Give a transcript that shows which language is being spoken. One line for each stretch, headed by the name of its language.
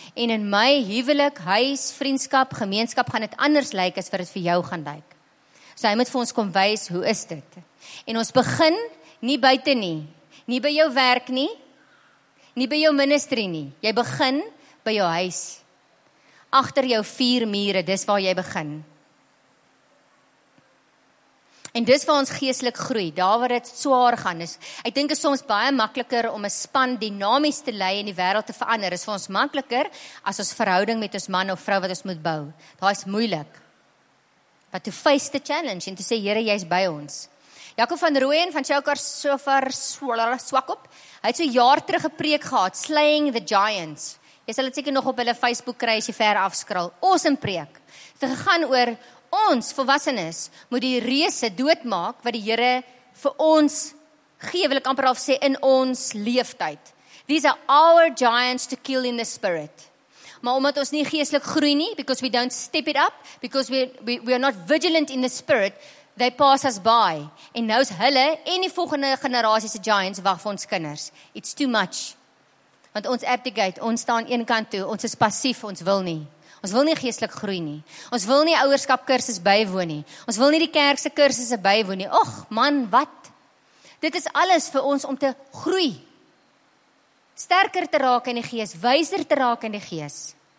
Afrikaans: En in my huwelik, huis, vriendskap, gemeenskap gaan dit anders lyk as wat dit vir jou gaan lyk. So hy moet vir ons kom wys hoe is dit. En ons begin nie buite nie, nie by jou werk nie, nie by jou ministry nie. Jy begin by jou huis. Agter jou vier mure, dis waar jy begin. En dis waar ons geestelik groei, daar waar dit swaar gaan. Ek dink is soms baie makliker om 'n span dinamies te lei en die wêreld te verander. Is vir ons makliker as ons verhouding met ons man of vrou wat ons moet bou. Daar is moeilik.
English: But to face the challenge
Afrikaans: en te sê, Here, jy is by ons. Jakob van Rooyen van Chaukar Sofar Swakop, hy het so jaar terug 'n preek gehad, Slaying the Giants. Jy sal dit seker nog op hulle Facebook kry as jy ver afskrul. Awesome preek. Het gegaan oor ons volwassenes moet die reëse doodmaak wat die Here vir ons gee, wil ek amper al sê, in ons leeftyd.
English: These are our giants to kill in the spirit.
Afrikaans: Maar omdat ons nie geestelik groei nie,
English: because we don't step it up, because we are not vigilant in the spirit, they pass us by.
Afrikaans: En nou is hulle en die volgende generasie se giants wag vir ons kinders.
English: It's too much.
Afrikaans: Want ons abdicate, ons staan een kant toe, ons is passief, ons wil nie. Ons wil nie geestelik groei nie. Ons wil nie ouerskap kursus bywoon nie. Ons wil nie die kerk se kursusse bywoon nie. Och, man, wat? Dit is alles vir ons om te groei. Sterker te raak in die gees, wyser te raak in die gees.